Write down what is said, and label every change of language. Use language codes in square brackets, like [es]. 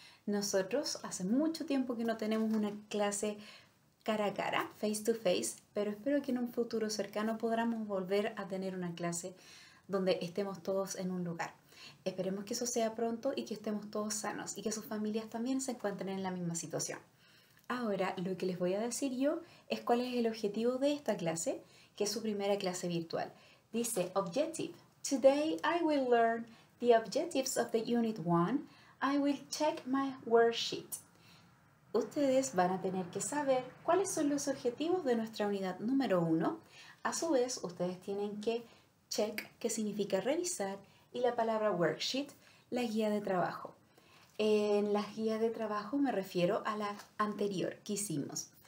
[es] Nosotros hace mucho tiempo que no tenemos una clase cara a cara, face to face, pero espero que en un futuro cercano podamos volver a tener una clase donde estemos todos en un lugar. Esperemos que eso sea pronto y que estemos todos sanos y que sus familias también se encuentren en la misma situación. Ahora, lo que les voy a decir yo es cuál es el objetivo de esta clase, que es su primera clase virtual. Dice, objective. [en] Today I will learn the objectives of the unit 1. I will check my worksheet. [es] Ustedes van a tener que saber cuáles son los objetivos de nuestra unidad número 1. A su vez, ustedes tienen que check, que significa revisar, y la palabra worksheet, la guía de trabajo. En la guía de trabajo me refiero a la anterior que hicimos.